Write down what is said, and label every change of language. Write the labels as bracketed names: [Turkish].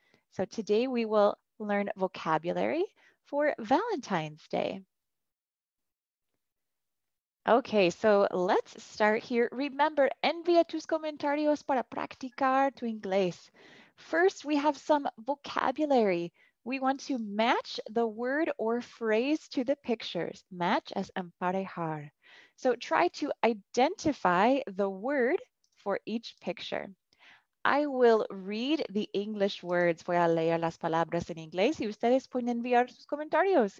[English] So today we will learn vocabulary for Valentine's Day. Okay, so let's start here. Remember, [Spanish] envía tus comentarios para practicar tu inglés. [English] First, we have some vocabulary. We want to match the word or phrase to the pictures. Match as emparejar. So try to identify the word for each picture. I will read the English words. [Spanish] Voy a leer las palabras en inglés y ustedes pueden enviar sus comentarios.